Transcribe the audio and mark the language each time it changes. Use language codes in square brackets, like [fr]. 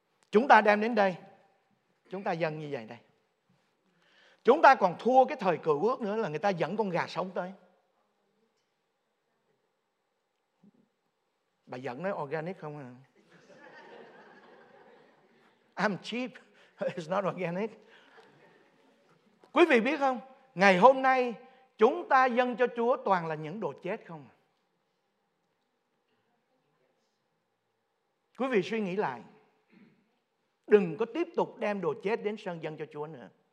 [vi] Chúng ta đem đến đây, chúng ta dâng như vậy đây. Chúng ta còn thua cái thời cựu ước nữa, là người ta dẫn con gà sống tới. Bà dẫn nói organic không à? [en] I'm cheap, it's not organic. [vi] Quý vị biết không, ngày hôm nay chúng ta dâng cho Chúa toàn là những đồ chết không? Quý vị suy nghĩ lại. Đừng có tiếp tục đem đồ chết đến sân dâng cho Chúa nữa.